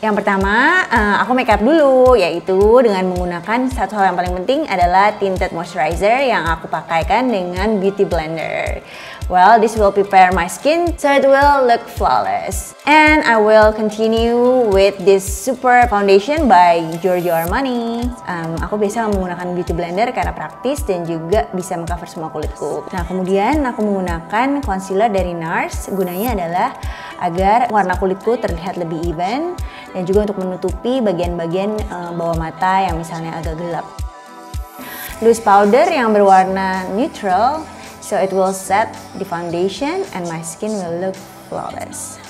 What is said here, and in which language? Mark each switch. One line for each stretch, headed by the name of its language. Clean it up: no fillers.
Indonesian: Yang pertama, aku make up dulu, yaitu dengan menggunakan satu hal yang paling penting adalah tinted moisturizer yang aku pakaikan dengan beauty blender.
English: Well, this will prepare my skin so it will look flawless. And I will continue with this super foundation by Giorgio Armani.
Indonesian: Aku biasa menggunakan beauty blender karena praktis dan juga bisa mengcover semua kulitku. Nah, kemudian aku menggunakan concealer dari NARS. Gunanya adalah agar warna kulitku terlihat lebih even dan juga untuk menutupi bagian-bagian bawah mata yang misalnya agak gelap. Loose powder yang berwarna neutral.
English: So it will set the foundation and my skin will look flawless.